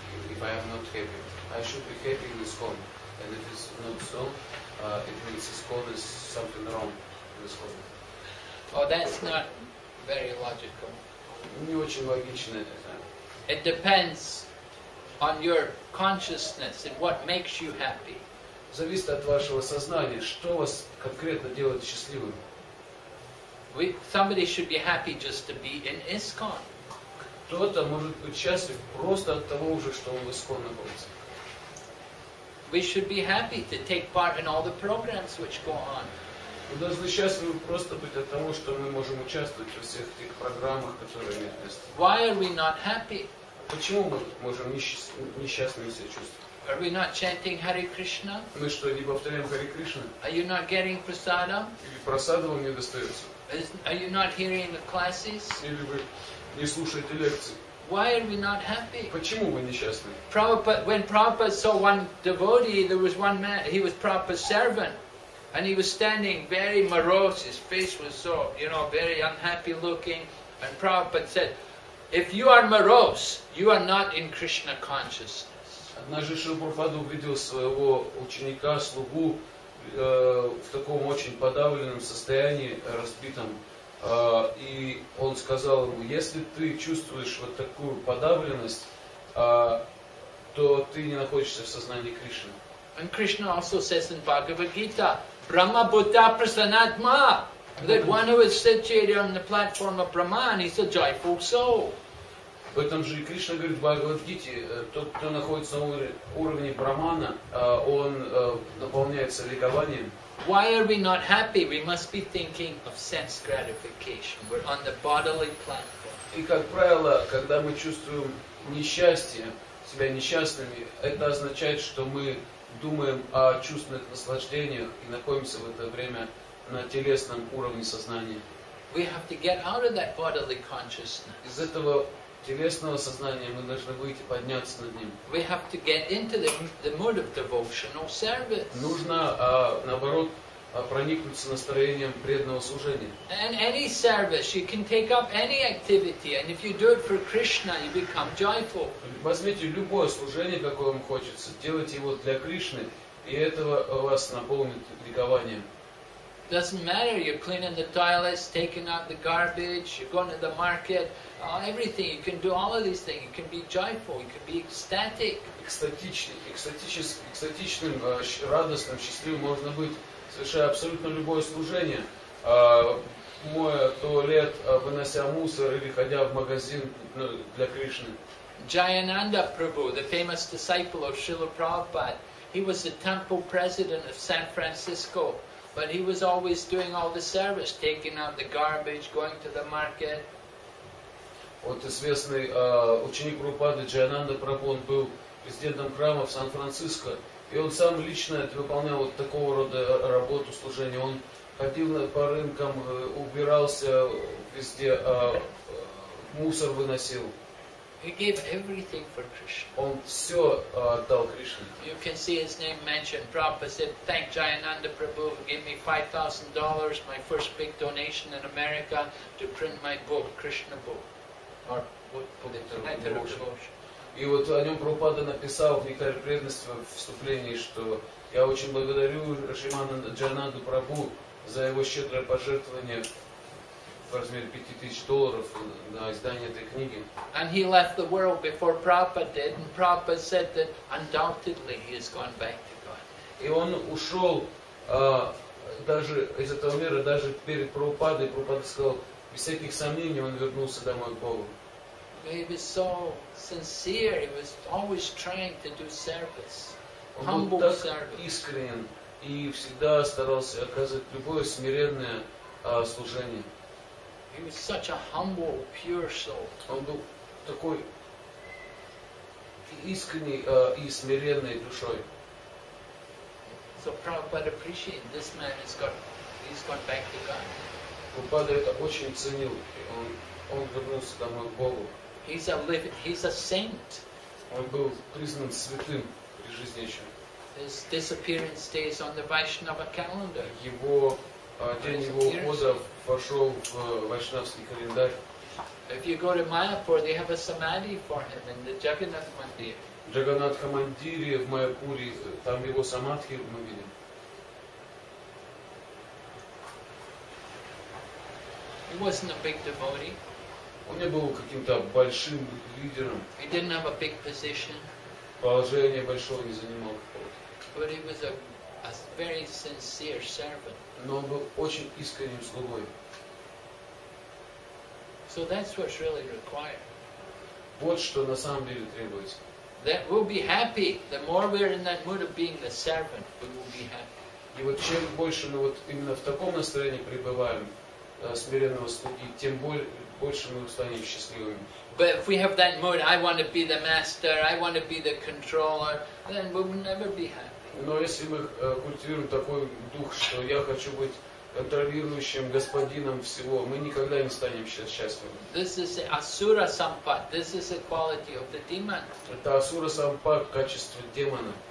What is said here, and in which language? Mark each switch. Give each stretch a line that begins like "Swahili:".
English: If I am not happy, I should be happy in ISKCON, and if it's not so, it means ISKCON is something wrong in ISKCON. Oh, that's not very logical.
Russian: Не очень логично это.
English: It depends on your consciousness and what makes you happy.
Russian: Зависит от вашего сознания, что вас конкретно делает счастливым.
English: Somebody should be happy just to be in ISKCON.
Russian: Кто-то может быть счастлив просто от того уже, что он в ISKCON находится.
English: We should be happy to take part in all the programs which go on.
Russian: Мы должны счастливы просто быть от того, что мы можем участвовать во всех этих программах, которые имеют место.
English: Why are we not happy?
Russian: Почему мы можем несчастными себя чувствовать?
English: Are we not chanting Hare Krishna?
Russian: Мы что, не повторяем Hare Krishna?
English: Are you not getting prasada?
Russian: Или прасада вам не достается?
English: Are you not hearing the classes?
Russian: Или вы не слушаете лекции?
English: Why are we not happy?
Russian: Почему вы несчастны?
English: Prabhupada, when Prabhupada saw one devotee, there was one man, he was Prabhupada's servant. And he was standing very morose, his face was so, you know, very unhappy looking. And Prabhupada said, if you are morose, you are not in Krishna consciousness.
Russian: Однажды Шрила Прабхупада увидел своего ученика, слугу, в таком очень подавленном состоянии, разбитом. И он сказал ему, если ты чувствуешь вот такую подавленность, то ты не находишься в сознании Кришны.
English: And Krishna also says in Bhagavad Gita,
Sanskrit: Brahma Buddha Prasanatma,
English: that one who is situated on the platform of Brahman is a joyful soul.
Russian: В этом же и Кришна говорит в Бхагавад Гите, тот, кто находится на уровне Брахмана, он наполняется ликованием.
English: Why are we not happy? We must be thinking of sense gratification. We're on the bodily platform.
Russian: И как правило, когда мы чувствуем несчастье, себя несчастными, это означает, что мы думаем о чувственных наслаждениях и находимся в это время на телесном уровне сознания.
English: We have to get out of that bodily consciousness.
Russian: Из этого телесного сознания мы должны выйти, подняться над ним.
English: We have to get into the mood of devotional service.
Russian: Нужно, наоборот, проникнуться настроением преданного служения.
English: And any service, you can take up any activity, and if you do it for Krishna, you become joyful.
Russian: Возьмите любое служение, какое вам хочется, делайте его для Кришны, и этого вас наполнит ликованием.
English: Doesn't matter, you're cleaning the toilets, taking out the garbage, you're going to the market, everything, you can do all of these things, you can be joyful, you can be ecstatic.
Russian: Экстатичным, радостным, счастливым можно быть, совершая абсолютно любое служение, моя туалет, вынося мусор или ходя в магазин для Кришны.
English: Jayananda Prabhu, the famous disciple of Srila Prabhupada, he was the temple president of San Francisco. But he was always doing all the service, taking out the garbage, going to the market.
Russian: Вот известный ученик Прабхупады Джайананда Прабху, он был президентом храма в Сан-Франциско, и он сам лично выполнял вот такого рода работу, служение. Он ходил по рынкам, убирался везде, мусор выносил.
English: He gave everything for Krishna.
Russian: Он все отдал Кришне.
English: You can see his name mentioned. Prabhupada said, thank Jayananda Prabhu, give me $5,000, my first big donation in America, to print my book, Krishna book. Or what book?
Russian: И вот о нем Прабхупада написал в Нектаре преданности в вступлении, что я очень благодарю Джайананду Прабху за его щедрое пожертвование в размере $5,000 на издание этой книги.
English: And he left the world before Prabhupada did, and Prabhupada said that undoubtedly he has gone back to God.
Russian: И он ушел даже из этого мира, даже перед Прабхупадой, Прабхупада сказал, без всяких сомнений он вернулся домой к Богу.
English: He was so sincere, he was always trying to do service, humble service.
Russian: Он был так искренен и всегда старался оказывать любое смиренное служение.
English: He was such a humble, pure soul.
Russian: Он был такой искренней и смиренной душой.
English: So Prabhupada appreciated this man. He's gone back to God.
Russian: Прабхупада это очень ценил. Он вернулся домой к Богу.
English: He's a saint.
Russian: Он был признан святым при жизни еще.
English: His disappearance stays on the Vaishnava calendar.
Russian: Его день его ухода вошел в вайшнавский календарь.
English: If you go to Mayapur, they have a samadhi for him in the Jagannath Mandir.
Russian: В Джаганнатха Мандире в Майяпуре, там его самадхи мы видим.
English: He wasn't a big devotee.
Russian: Он не был каким-то большим лидером.
English: He didn't have a big position.
Russian: Положение большого не занимал какого-то.
English: But he was a very sincere servant.
Russian: Но он был очень искренним слугой.
English: So that's what's really required.
Russian: Вот что на самом деле требуется.
English: That we'll be happy. The more we're in that mood of being the servant, we will be happy.
Russian: И вот чем больше мы вот именно в таком настроении пребываем, смиренного слуги, тем больше мы станем счастливыми.
English: But if we have that mode, I want to be the master, I want to be the controller, then we will never be happy.
Russian: Но если мы культивируем такой дух, что я хочу быть контролирующим господином всего, мы никогда не станем счастливыми.
English: This is asura sampat. This is a quality of the demon.
Russian: Это асура сампат, качество демона.